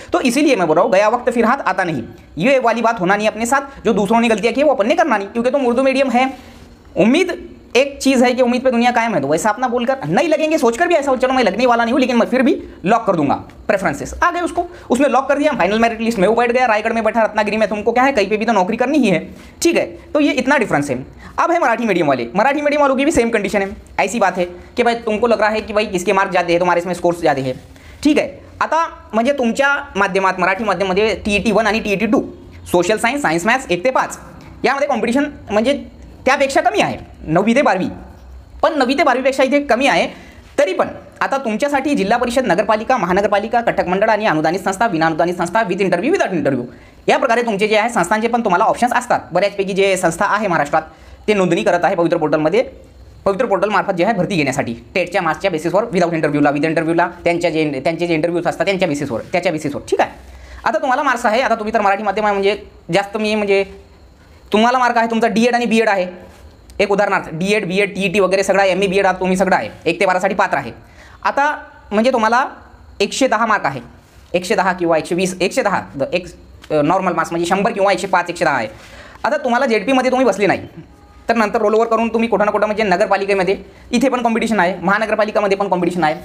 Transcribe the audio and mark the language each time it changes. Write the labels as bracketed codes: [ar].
[hi] तो इसीलिए मैं बोल रहा हूं गया वक्त फिर हाथ आता नहीं, ये वाली बात होना नहीं अपने साथ, जो दूसरों ने गलतियां की वो अपन ने करना नहीं, क्योंकि तुम उर्दू मीडियम है, उम्मीद एक चीज है कि उम्मीद पे दुनिया कायम है, तो वैसा अपना बोलकर नहीं लगेंगे, सोचकर भी ऐसा हो चलो मैं लगने वाला नहीं हूं लेकिन मैं फिर भी लॉक कर दूंगा प्रेफरेंसेस। आ गए उसको, उसने लॉक कर दिया, फाइनल मेरिट लिस्ट में वो बैठ गया, रायगढ़ में बैठा, रत्नागिरी में, तुमको क्या है कहीं पे भी तो नौकरी करनी ही है, ठीक है। तो ये इतना डिफरेंस है। अब है मराठी मीडियम वाले, मराठी मीडियम वालों की भी सेम कंडीशन है, ऐसी बात है कि भाई तुमको लग रहा है कि भाई इसके मार्क ज्यादा है, तुम्हारे इसमें स्कोर्स ज्यादा है, ठीक है। [mr] आता म्हणजे तुमच्या माध्यमात मराठी माध्यम मध्ये TET 1 आणि TET 2 social science, science maths 1-5 यामध्ये कॉम्पिटिशन म्हणजे त्यापेक्षा कमी आहे 9वी ते 12वी, पण 9वी ते 12वीपेक्षा इथे कमी आहे। तरी पण आता तुमच्यासाठी जिल्हा परिषद, नगरपालिका, महानगरपालिका, कटक मंडळ आणि अनुदानित संस्था, विनाअनुदानित संस्था, विथ इंटरव्ह्यू, विदाउट इंटरव्ह्यू, या प्रकारे तुमचे जे आहे संस्थांचे पण तुम्हाला ऑप्शन्स असतात। बऱ्याचपैकी जे संस्था आहे महाराष्ट्रात ते नोंदणी करत आहे पवित्र पोर्टलमध्ये, पवित्र पोर्टलमार्फत जे आहे भरती घेण्यासाठी टेटच्या मार्क्सच्या बेसिसवर, विदाउट इंटरव्ह्यूला, विथ इंटरव्ह्यूला, त्यांचे जे इंटरव्ह्यूज असतात त्याच्या बेसिसवर, ठीक आहे। आता तुम्हाला मार्क्स आहे, आता तुम्ही तर मराठी माध्यम आहे म्हणजे जास्त मी म्हणजे तुम्हाला मार्क आहे, तुमचा DED आणि BED आहे, एक उदाहरणार्थ DED BED TET वगैरे सगळा MA BED आता तुम्ही सगळा आहे, 1-12 पात्र आहे। आता म्हणजे तुम्हाला 110 मार्क आहे, 110 किंवा 120, 110 एक नॉर्मल मार्क्स म्हणजे 100 किंवा 105, 110 आहे। आता तुम्हाला JPMध्ये तुम्ही बसले नाही तर नंतर रोल ओव्हर करून तुम्ही कुठं ना कुठं म्हणजे नगरपालिकेमध्ये, इथे पण कॉम्पिटिशन आहे, महानगरपालिकामध्ये पण कॉम्पिटिशन आहे।